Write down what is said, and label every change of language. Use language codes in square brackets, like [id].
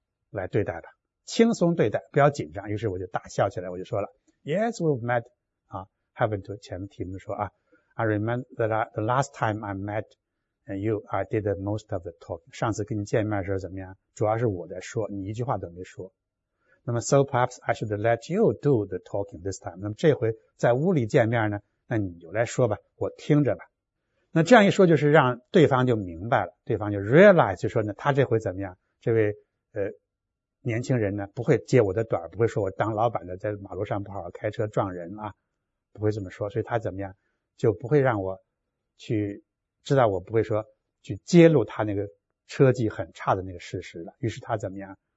[zh] 来对待吧轻松对待不要紧张于是我就大笑起来我就说了 [en] ,Yes, we've met, 啊 ,haven't to, [zh] 前面题目说啊 [en] I remember that the last time I met you, I did most of the talking. [zh] 上次跟你见面的时候怎么样主要是我在说你一句话都没说。那么 [en] so perhaps I should let you do the talking this time. [zh] 那么这回在屋里见面呢那你就来说吧我听着吧。那这样一说就是让对方就明白了对方就 realize 就说呢他这回怎么样这位年轻人呢不会接我的短不会说我当老板的在马路上不好好开车撞人啊不会这么说所以他怎么样就不会让我去知道我不会说去揭露他那个车技很差的那个事实了于是他怎么样